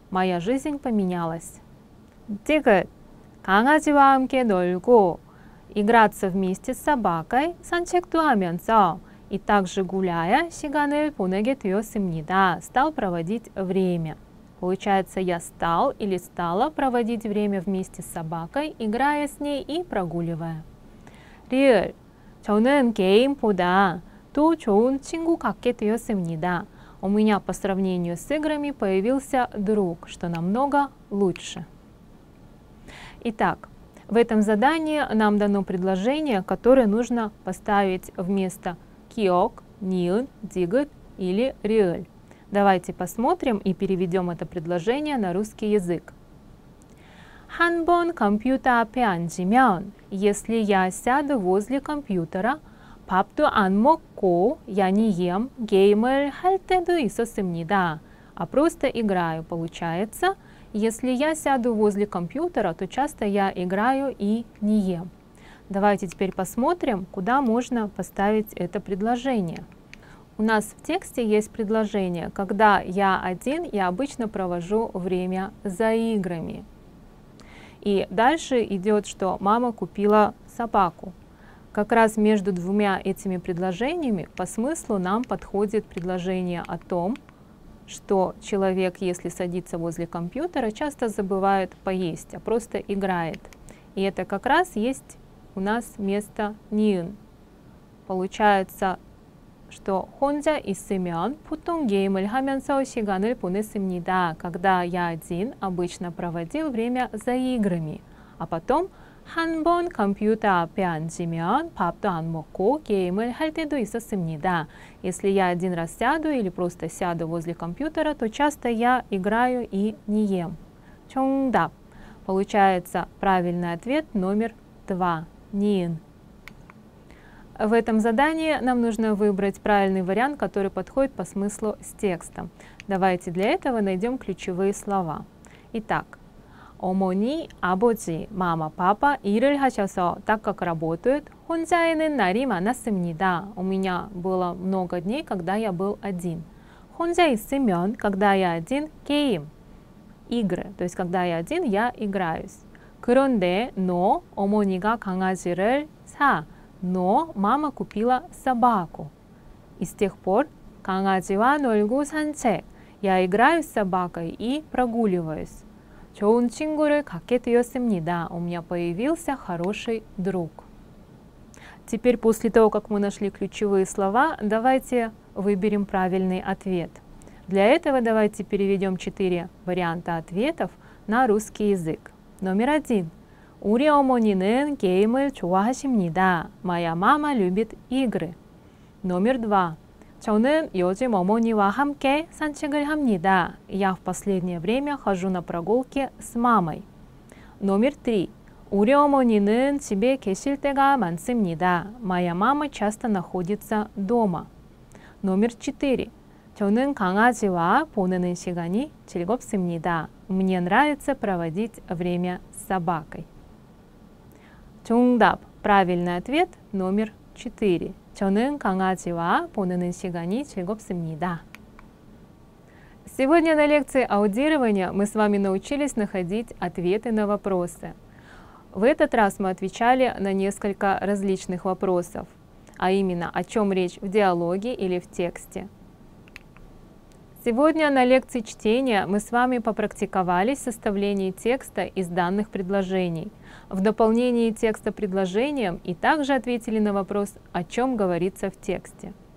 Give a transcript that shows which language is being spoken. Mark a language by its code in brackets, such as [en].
[ru] Моя жизнь поменялась. 디귿. [ko] 강아지와 함께 놀고 [ru] играться вместе с собакой, [ko] 산책도 하면서, [ru] и также гуляя, [ko] 시간을 보내게 되었습니다. [ru] Стал проводить время. Получается, я стал или стала проводить время вместе с собакой, играя с ней и прогуливая. [ko] 리얼. 저는 게임보다 더 좋은 친구 갖게 되었습니다. [ru] У меня по сравнению с играми появился друг, что намного лучше. Итак, в этом задании нам дано предложение, которое нужно поставить вместо киок, ниун, дигут или риэль. Давайте посмотрим и переведем это предложение на русский язык. [ko] 한 번 컴퓨터 앞에 앉으면, [ru] если я сяду возле компьютера, [ko] 밥도 안 먹고, [ru] я не ем, [ko] 게임을 할 때도 있었습니다. [ru] А просто играю, получается. Если я сяду возле компьютера, то часто я играю и не ем. Давайте теперь посмотрим, куда можно поставить это предложение. У нас в тексте есть предложение, когда я один, я обычно провожу время за играми. И дальше идет, что мама купила собаку. Как раз между двумя этими предложениями по смыслу нам подходит предложение о том, что человек, если садится возле компьютера, часто забывает поесть, а просто играет. И это как раз есть у нас место «нин». Получается, что [ko] «혼자 있으면 보통 게임을 하면서 시간을 보냈습니다», [ru] когда я один обычно проводил время за играми, а потом [ko] 한 번 컴퓨터 앞에 앉으면 밥도 안 먹고 게임을 할 때도 있었습니다. [ru] Если я один раз сяду или просто сяду возле компьютера, то часто я играю и не ем. [ko] 정답. [ru] Получается правильный ответ номер 2. [ko] 니은. [ru] В этом задании нам нужно выбрать правильный вариант, который подходит по смыслу с текстом. Давайте для этого найдем ключевые слова. Итак, [ko] 어머니, 아버지, [ru] мама, папа [ko] 일을 하셔서, [ru] так как работают, [ko] 혼자에는 날이 많았습니다. [ru] У меня было много дней, когда я был один. [ko] 혼자 있으면, [ru] когда я один, 게임, игры. То есть, когда я один, я играюсь. [ko] 그런데, 너, 어머니가 강아지를 사, [ru] но мама купила собаку. И с тех пор [ko] 강아지와 놀고 산책. [ru] Я играю с собакой и прогуливаюсь. [ko] 좋은 친구를 갖게 되었습니다. [ru] У меня появился хороший друг. Теперь после того, как мы нашли ключевые слова, давайте выберем правильный ответ. Для этого давайте переведем 4 варианта ответов на русский язык. Номер 1. [ko] 우리 어머니는 게임을 좋아하십니다. [ru] Моя мама любит игры. Номер 2. [ko] 저는 요즘 어머니와 함께 산책을 합니다. [ru] Я в последнее время хожу на прогулки с мамой. Номер 3. [ko] 우리 어머니는 집에 계실 때가 많습니다. [ru] Моя мама часто находится дома. Номер 4. [ko] 저는 강아지와 보내는 시간이 즐겁습니다. [ru] Мне нравится проводить время с собакой. [ko] 정답. [ru] Правильный ответ номер 4. [ko] 저는 강아지와 보내는 시간이 즐겁습니다. [ru] Сегодня на лекции аудирования мы с вами научились находить ответы на вопросы. В этот раз мы отвечали на несколько различных вопросов, а именно, о чем речь в диалоге или в тексте. Сегодня на лекции чтения мы с вами попрактиковались в составлении текста из данных предложений, в дополнении текста предложением и также ответили на вопрос, о чем говорится в тексте.